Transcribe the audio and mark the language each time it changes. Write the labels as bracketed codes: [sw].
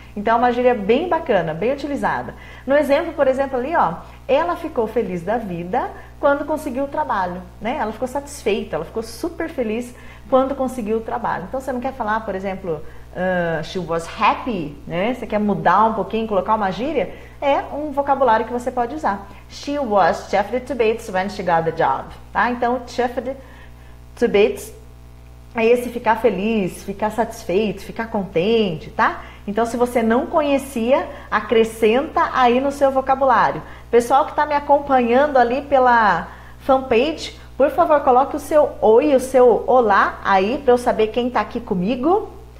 [pt] Então, é uma gíria bem bacana, bem utilizada. No exemplo, por exemplo, ali, ó, ela ficou feliz da vida quando conseguiu o trabalho, né? Ela ficou satisfeita, ela ficou super feliz quando conseguiu o trabalho. Então, você não quer falar, por exemplo, [en] she was happy, [pt] né? Você quer mudar um pouquinho, colocar uma gíria? É um vocabulário que você pode usar. [en] She was chuffed to bits when she got the job, tá? [pt] Então, [en] chuffed to bits [pt] é esse ficar feliz, ficar satisfeito, ficar contente, tá? Então, se você não conhecia, acrescenta aí no seu vocabulário. Pessoal que está me acompanhando ali pela fanpage, por favor, coloque o seu oi, o seu olá aí para eu saber quem está aqui comigo.